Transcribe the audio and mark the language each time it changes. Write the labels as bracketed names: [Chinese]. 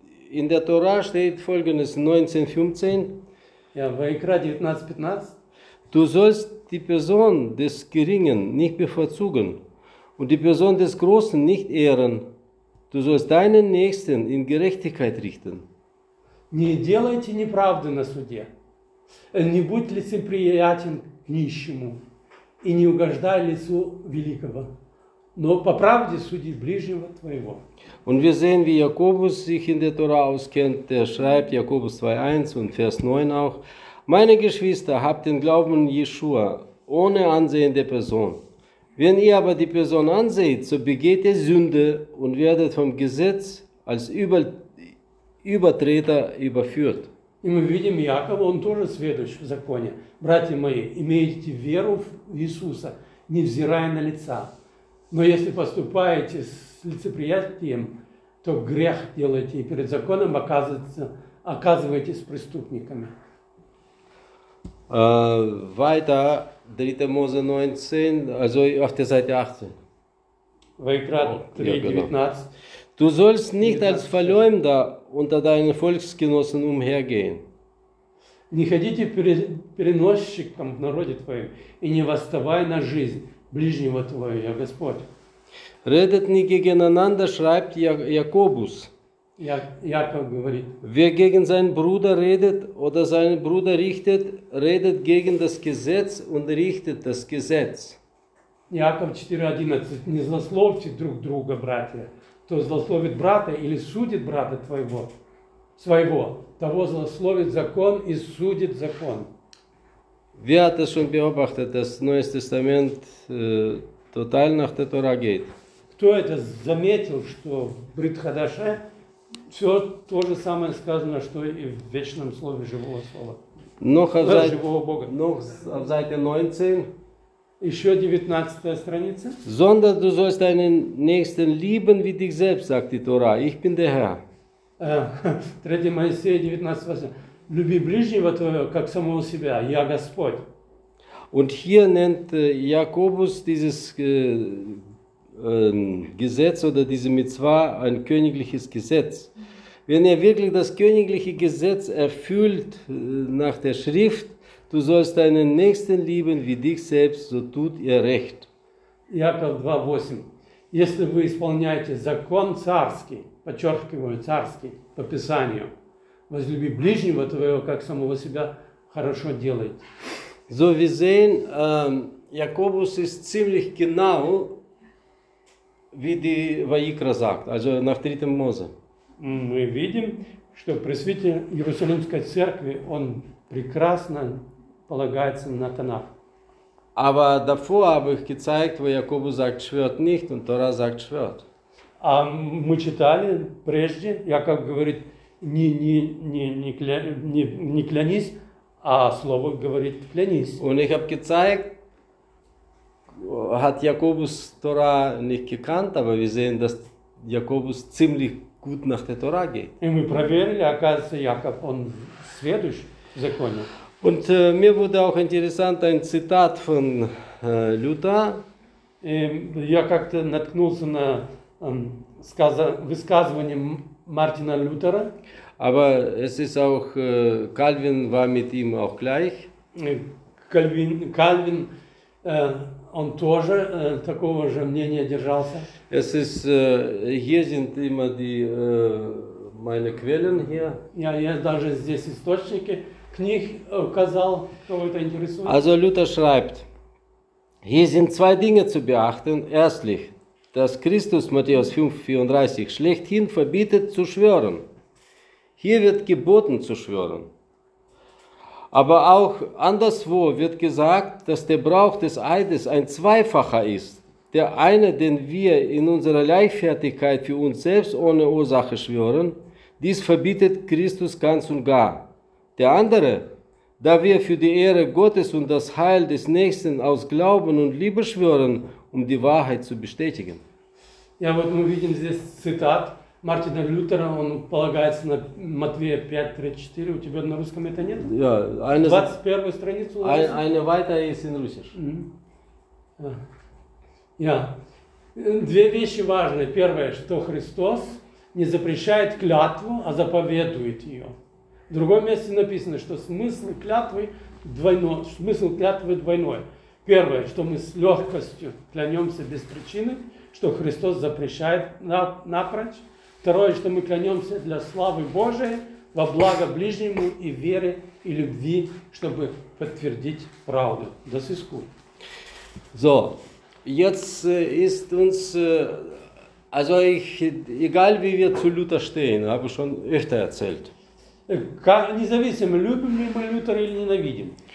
[German] In der Tora steht folgendes 19:15. Ja, Vaikra 19:15. Du sollst die Person des Geringen nicht bevorzugen und die Person des Großen nicht ehren. Du sollst deinen Nächsten in Gerechtigkeit richten. [Russian] Не делайте неправды на суде. Не будь лицеприятен к нищему и не угождай лицу великого. Но по правде суди ближнего твоего. [German] Und wir sehen, wie Jakobus sich in der Tora auskennt. Der schreibt Jakobus 2,1 und Vers 9 auch. Meine Geschwister, habt den Glauben Jeschua ohne Ansehen der Person. Wenn ihr aber die Person anseht, so begeht ihr Sünde und werdet vom Gesetz als Übertreter überführt. [Russian] И мы видим Якова, он тоже сведущ в законе. Братья мои, имейте веру в Иисуса, невзирая на лица. Но если поступаете с лицеприятием, то грех делаете и перед законом оказываетесь преступниками. [German] Weiter, 3. Mose 19, also auf der Seite 18. Vaikra 3,19. Ja, genau. Du sollst nicht als Verleumder unter deinen Volksgenossen umhergehen. [Russian] Не ходите переносчиком в народе твоем и не восставай на жизнь ближнего твоего, я Господь. [German] Redet nicht gegeneinander, schreibt Jakobus. [Russian] Jakob говорит. [German] Wer gegen seinen Bruder redet oder seinen Bruder richtet, redet gegen das Gesetz und richtet das Gesetz. Jakob 4,11. [Russian] Не злословьте друг друга, братья. Кто злословит брата или судит брата твоего, своего, того злословит закон и судит закон. [German] Wer hat das schon beobachtet, dass das Neue Testament total nach der Tora geht? [Russian] Кто это заметил, что в Брит-Хадаше все то же самое сказано, что и в Вечном Слове Живого Слова? Живого Бога. [German] Noch auf Seite 19. [Russian] Еще 19 страница. [German] Sondern du sollst deinen Nächsten lieben wie dich selbst, sagt die Tora. Ich bin der Herr. [Russian] 3 Моисея 19:8. Люби ближнего твоего, как самого себя. Я Господь. [German] Und hier nennt Jakobus dieses Gesetz oder diese Mitzwa ein königliches Gesetz. Wenn er wirklich das königliche Gesetz erfüllt nach der Schrift, du sollst deinen Nächsten lieben wie dich selbst, so tut er recht. Jakob 2,8. [Russian] Если вы исполняете закон царский, подчеркиваю царский, по Писанию, возлюби ближнего твоего, как самого себя, хорошо делайте. [German] So wir sehen, Jakobus ist ziemlich genau, wie die Vaikra sagt, also nach 3. Mose. [Russian] Мы видим, что пресвитер Иерусалимской церкви, он прекрасно полагается на Танах. [German] Aber davor habe ich gezeigt, wo Jakobus sagt, schwört nicht, und Tora sagt, schwört. [Russian] А мы читали прежде, Яков говорит, не клянись, а слово говорит, клянись. [German] Und ich habe gezeigt, hat Jakobus Tora nicht gekannt, aber wir sehen, dass Jakobus ziemlich gut nach der Tora geht. [Russian] И мы проверили, оказывается, Яков, он сведущ в законе. [German] Und mir wurde auch interessant ein Zitat von Luther. [Russian] Я как-то наткнулся на высказывание Мартина Лютера. [German] Aber es ist auch Calvin war mit ihm auch gleich. [Russian] Calvin он тоже такого же мнения держался. [German] Es ist hier sind immer die meine Quellen hier. Ja, [Russian] я даже здесь источники книг указал, кого это интересует. [German] Also Luther schreibt. Hier sind zwei Dinge zu beachten. Erstlich, dass Christus Matthäus 5,34 schlechthin verbietet zu schwören. Hier wird geboten zu schwören. Aber auch anderswo wird gesagt, dass der Brauch des Eides ein zweifacher ist. Der eine, den wir in unserer Leichtfertigkeit für uns selbst ohne Ursache schwören, dies verbietet Christus ganz und gar. Der andere, da wir für die Ehre Gottes und das Heil des Nächsten aus Glauben und Liebe schwören, um die Wahrheit zu bestätigen. Ja, [Russian] вот мы видим здесь цитат Мартина Лютера, он полагается на Матвея 5:34. У тебя на русском это нет? [German] Ja, eine [Russian] 21 страницу. [German] Eine weiter ist in Russisch. [Russian] Mm-hmm. [German] Ja. [Russian] Две вещи важны. Первое, что Христос не запрещает клятву, а заповедует ее. В другом месте написано, что смысл клятвы двойной. Первое, что мы с легкостью клянемся без причины, что Христос запрещает напрочь. Второе, что мы клянемся для славы Божией, во благо ближнему и веры, и любви, чтобы подтвердить правду. До свиску. [German] So, jetzt ist uns, also ich, egal wie wir zu Luther stehen, habe schon öfter erzählt. [Russian] Независимо, любим ли мы Лютера или ненавидим.